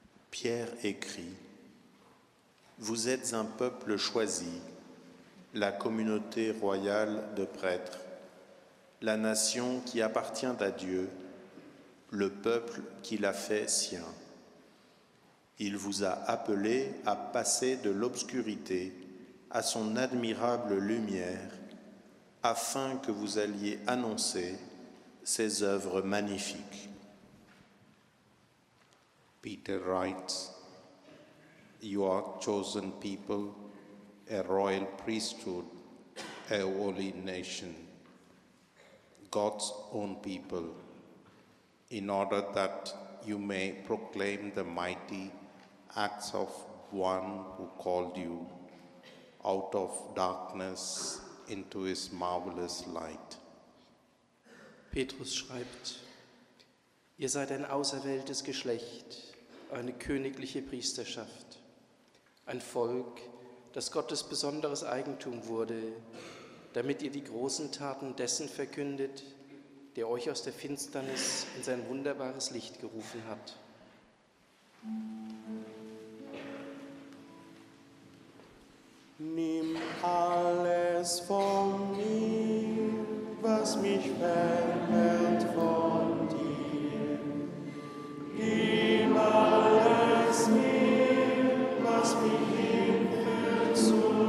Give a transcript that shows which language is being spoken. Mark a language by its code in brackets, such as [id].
[fr] Pierre écrit : Vous êtes un peuple choisi, la communauté royale de prêtres, la nation qui appartient à Dieu, le peuple qui l'a fait sien. Il vous a appelé à passer de l'obscurité à son admirable lumière, afin que vous alliez annoncer ses œuvres magnifiques. [en] Peter writes, You are chosen people, a royal priesthood, a holy nation, God's own people, in order that you may proclaim the mighty acts of one who called you out of darkness into his marvelous light. [de] Petrus schreibt: Ihr seid ein auserwähltes Geschlecht, eine königliche Priesterschaft, ein Volk, das Gottes besonderes Eigentum wurde, damit ihr die großen Taten dessen verkündet, der euch aus der Finsternis in sein wunderbares Licht gerufen hat. Nimm alles von mir, was mich verhält von dir. Gib alles mir, was mich hinführt zu